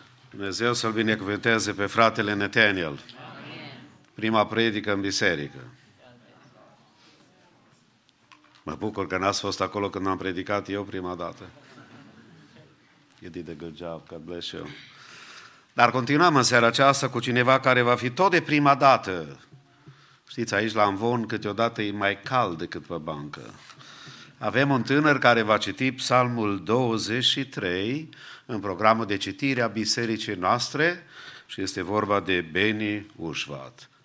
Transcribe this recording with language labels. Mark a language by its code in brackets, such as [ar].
[ro] Dumnezeu să-l binecuvânteze pe fratele Nathaniel. Amen. Prima predică în biserică. Mă bucur că n-ați fost acolo când am predicat eu prima dată. [en] You did a good job, God bless you. [ro] Dar continuăm în seara aceasta cu cineva care va fi tot de prima dată. Știți, aici la Amvon câteodată e mai cald decât pe bancă. Avem un tânăr care va citi Psalmul 23 în programul de citire a bisericii noastre și este vorba de Beni Ușvat.